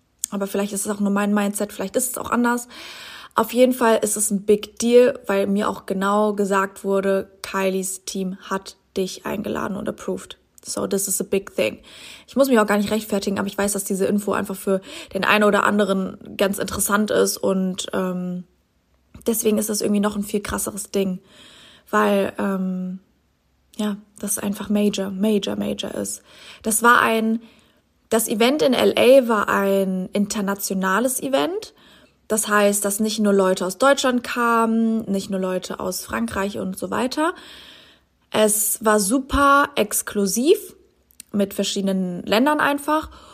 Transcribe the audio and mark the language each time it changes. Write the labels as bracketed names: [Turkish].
[German] Aber vielleicht ist es auch nur mein Mindset, vielleicht ist es auch anders. Auf jeden Fall ist es ein Big Deal, weil mir auch genau gesagt wurde, Kylies Team hat dich eingeladen und approved. [English] So, this is a big thing. [German] Ich muss mich auch gar nicht rechtfertigen, aber ich weiß, dass diese Info einfach für den einen oder anderen ganz interessant ist. Und deswegen ist das irgendwie noch ein viel krasseres Ding. Weil, ja, das einfach major, major, major ist. Das Event in L.A. war ein internationales Event. Das heißt, dass nicht nur Leute aus Deutschland kamen, nicht nur Leute aus Frankreich und so weiter. Es war super exklusiv mit verschiedenen Ländern einfach.